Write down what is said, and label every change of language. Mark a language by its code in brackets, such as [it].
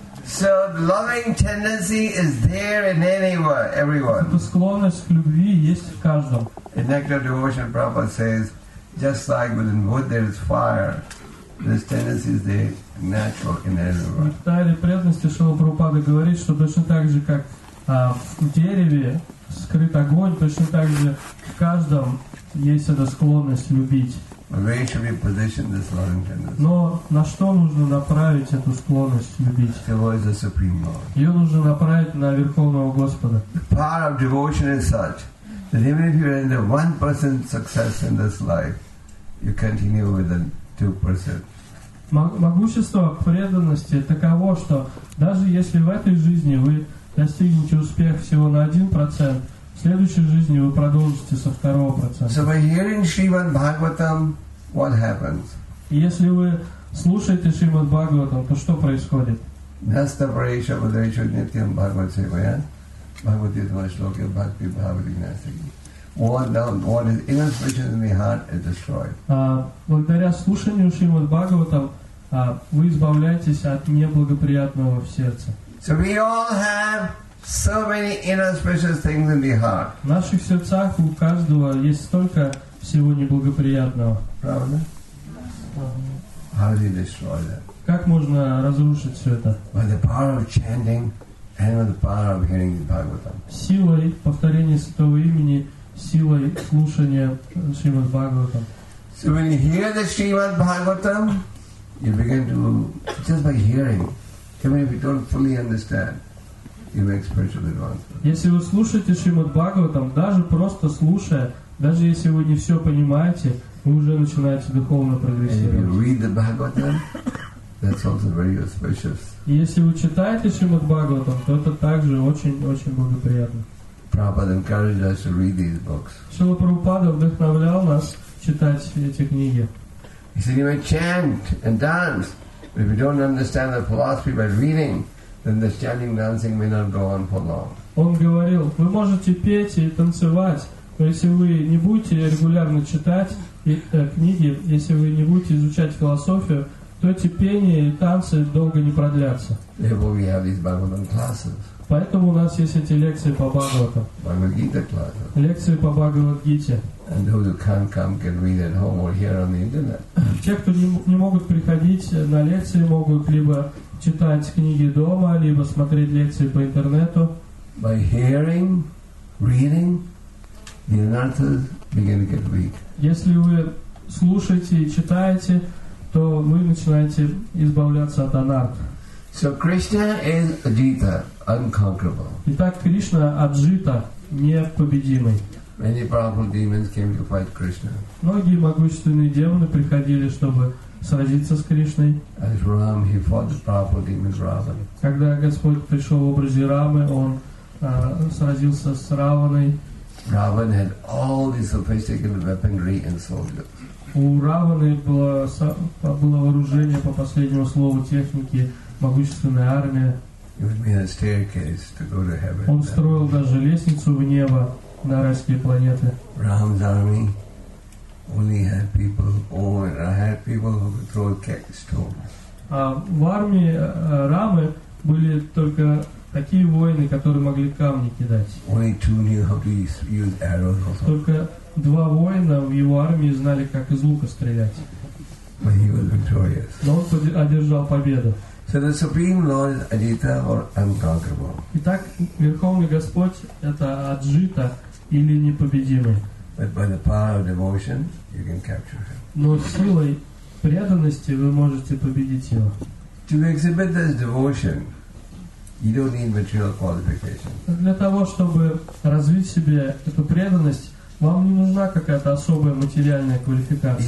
[en] So loving tendency is there in anyone, everyone. [ru] Эта склонность к любви есть в каждом. [en] In Nectar Devotion, Prabhupada says, just like within wood there is fire, this tendency is there, natural in everyone. [ru] В Нектаре преданности Шрила Прабхупада говорит, что точно так же, как в дереве скрыт огонь, точно так же в каждом есть эта склонность любить. [en] Where should we position this loving tendency? [ru] Но на что нужно направить эту склонность любить? [en] Towards the Supreme Lord. [ru] Ее нужно направить на Верховного Господа. [en] The power of devotion is such that even if you end up 1% success in this life, you continue with the 2%. [ru] Могущество преданности таково, что даже если в этой жизни вы достигнете успех всего на 1%, в следующей жизни вы продолжите со 2%. [en] So by hearing Srimad Bhagavatam, what happens? [ru] Если вы слушаете Шримад Бхагаватам, то что происходит? [sa] Nasta Parisha Vadresha Nityam Bhagavat Sevaya Bhagavatita Vashloka Bhakti Bhavati Nasagi. [en] What is inspiration in the heart is destroyed. [ru] Благодаря слушанию Шримад Бхагаватам вы избавляетесь от неблагоприятного в сердце. [en] So we all have so many inauspicious things in the heart. [ru] В наших сердцах у каждого есть столько всего неблагоприятного. Правда? [en] How do you destroy that? [ru] Как можно разрушить все это? [en] By the power of chanting and with the power of hearing the Bhagavatam. [ru] Силой повторения святого имени, силой слушания Шримад Бхагаватам. [en] So when you hear the Shrimad Bhagavatam, you begin to, just by hearing, even if you don't fully understand, you make spiritual advancement. [ru] Если вы слушаете Шримад Бхагаватам, даже просто слушая, даже если вы не все понимаете, вы уже начинаете духовно прогрессировать. [en] And if you read the Bhagavatam, that's also very auspicious. [ru] Если вы читаете Шримад Бхагаватам, то это также очень-очень благоприятно. [en] Prabhupada encouraged us to read these books. [ru] Шрила Прабхупада вдохновлял нас читать эти книги. [en] He said, you may chant and dance, but if you don't understand the philosophy by reading, then the chanting and dancing may not go on for long. [ru] Он говорил, вы можете петь и танцевать, но если вы не будете регулярно читать книги, если вы не будете изучать философию, то эти пения и танцы долго не продлятся. [en] Therefore we have these Bhagavatam classes. [ru] Поэтому у нас есть эти лекции по Бхагавату. Лекции по Бхагавад-гите. [en] And those who can't come can read at home or hear on the internet. [ru] Те, кто не могут приходить на лекции, могут либо читать книги дома, либо смотреть лекции по интернету. [en] By hearing, reading, the answers begin to get weak. [ru] Если вы слушаете и читаете, то вы начинаете избавляться от анарт. [en] So Krishna is Ajita, unconquerable. [ru] Итак, Кришна Аджита, непобедимый. [en] Many powerful demons came to fight Krishna. [ru] Многие могущественные демоны приходили, чтобы сразиться с Кришной. [en] As Ram, he fought the powerful demons Ravana. [ru] Когда Господь пришел в образе Рамы, он сразился с Раваной. [en] Ravana had all the sophisticated weaponry and soldiers. [ru] У Раваны было вооружение по последнему слову техники. Могущественная армия. [en] It would mean a staircase to go to heaven. [ru] Он строил даже лестницу в небо на райские планеты. [en] Ram's army only had people, who could throw stones. [ru] А в армии Рамы были только такие воины, которые могли камни кидать. [en] Only two knew how to use arrows also. [ru] Только два воина в его армии знали, как из лука стрелять. [en] But he was victorious. [ru] Но он одержал победу. [en] So the Supreme Lord is Ajita or unconquerable. [ru] Итак, Верховный Господь это Аджита или непобедимый. [en] But by the power of devotion, you can capture him. [ru] Но силой преданности вы можете победить его. [en] To exhibit this devotion, You don't need material qualifications. [ru] Для того, чтобы развить в себе эту преданность, вам не нужна какая-то особая материальная квалификация.